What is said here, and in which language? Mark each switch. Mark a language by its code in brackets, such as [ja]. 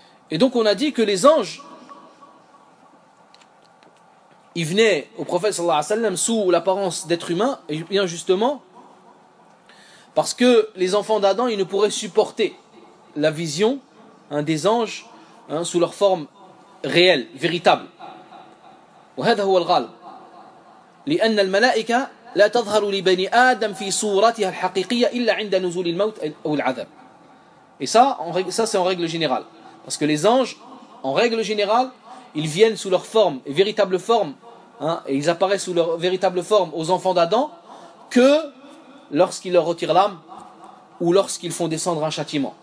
[fr] Et donc on a dit que les anges, ils venaient au prophète [ar] sallallahu alayhi wa sallam [fr] sous l'apparence d'être humain, et bien justement, parce que les enfants d'Adam, ils ne pourraient supporter la vision hein, des anges hein, sous leur forme réelle, véritable. [ar] وهذا هو الغالب لأن الملائكة لا تظهر لبني آدم في صورتها الحقيقية إلا عند نزول الموت أو العذاب. [fr] Et ça, ça c'est en règle générale. Parce que les anges, en règle générale, ils viennent sous leur forme, véritable forme, hein, et ils apparaissent sous leur véritable forme aux enfants d'Adam que lorsqu'ils leur retirent l'âme ou lorsqu'ils font descendre un châtiment.